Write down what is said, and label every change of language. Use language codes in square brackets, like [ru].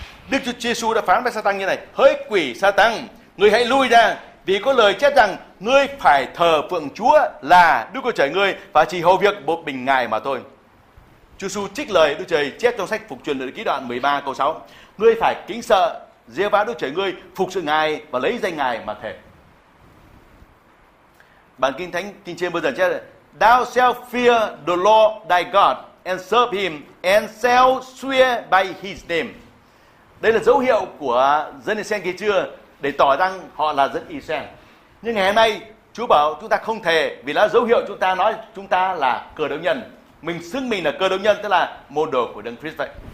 [vi] Đức Chúa Giêsu đã phán với Satan như này: hỡi quỷ Satan, ngươi hãy lui ra, vì có lời chép rằng ngươi phải thờ phượng Chúa là Đức Chúa Trời ngươi và chỉ hầu việc một mình Ngài mà thôi. Chúa Giêsu trích lời Đức Trời chép trong sách Phục Truyền Luận Ký đoạn 13 câu 6: ngươi phải kính sợ Giê-hô-va Đức Trời ngươi, phục sự Ngài và lấy danh Ngài mà thề. Bản Kinh Thánh Kinh James Version chép: [en] thou shalt fear the Lord thy God and serve him and shall swear by his name. [vi] Đây là dấu hiệu của dân Israel kia chưa, để tỏ rằng họ là dân Israel. Nhưng ngày hôm nay Chúa bảo chúng ta không thề, vì là dấu hiệu chúng ta nói chúng ta là cơ đốc nhân. Mình xưng mình là cơ đốc nhân, tức là môn đồ của Đấng Christ vậy.